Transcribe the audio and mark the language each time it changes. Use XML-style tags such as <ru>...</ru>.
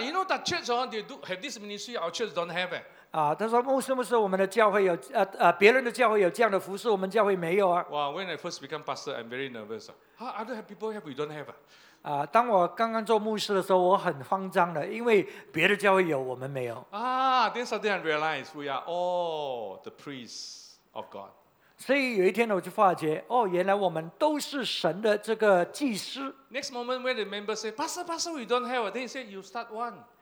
<en>you know that church on they do have this ministry, our church don't have it.</en> <zh>他说牧师，我们的教会有别人的教会有这样的服事，我们教会没有啊。</zh> <en>Wow, when I first become pastor, I'm very nervous. How other people have, we don't have.</en> <zh>当我刚刚做牧师的时候，我很慌张的，因为别的教会有，我们没有。</zh> <en>Then suddenly I realize we are all the priests of God.</en> <zh>所以有一天我就发觉，哦，原来我们都是神的这个祭司。</zh> <en>Next moment when the member say, Pastor, Pastor, we don't have, then he said, you start one.</en>